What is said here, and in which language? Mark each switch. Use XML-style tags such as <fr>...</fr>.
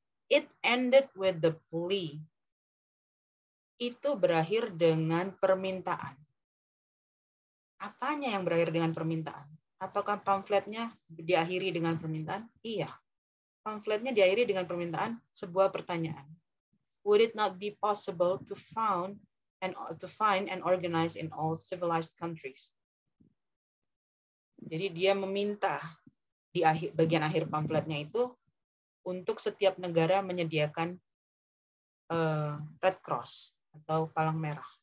<en>It ended with the plea.</en> <id>Itu berakhir dengan permintaan. Apanya yang berakhir dengan permintaan? Apakah pamfletnya diakhiri dengan permintaan? Iya. Pamfletnya diakhiri dengan permintaan sebuah pertanyaan.</id> <en>Would it not be possible to found and to find and organize in all civilized countries?</en> <id>Jadi dia meminta di akhir, bagian akhir pamfletnya itu untuk setiap negara menyediakan Red Cross atau palang merah.</id>